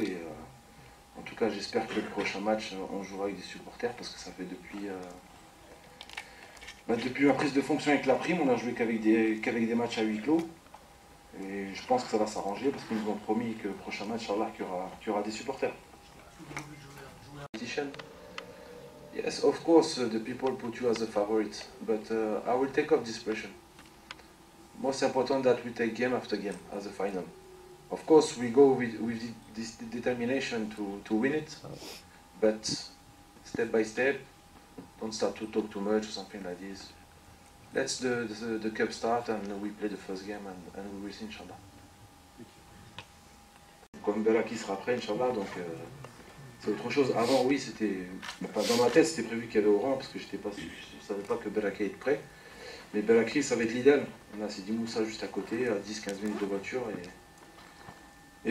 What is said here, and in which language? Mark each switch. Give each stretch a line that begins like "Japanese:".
French: Et, en tout cas, j'espère que le prochain match, on jouera avec des supporters parce que ça fait depuis ma prise de fonction avec la prime, on n'a joué qu'avec des matchs à huis clos. Et je pense que ça va s'arranger parce qu'ils nous ont promis que le prochain match, Inch'Allah, qu'il y aura des supporters.
English: Yes, of course, the people put you as a favorite, but I will take off this pressure. Most important that we take game after game as a final. Of course, we go with this determination to win it, but step by step, don't start to talk too much or something like this. Let's the cup start and we play the first game and we will see, Inch'Allah.
French: Comme Bella qui sera prêt, Inch'Allah, donc c'est autre chose. Avant, oui, c'était. Enfin, dans ma tête, c'était prévu qu'il y avait Oran parce que je savais pas que Bella qui était prêt. Mais Bella qui, ça va être l'idéal. Là, c'est du Moussa juste à côté, à 10-15 minutes de voiture et.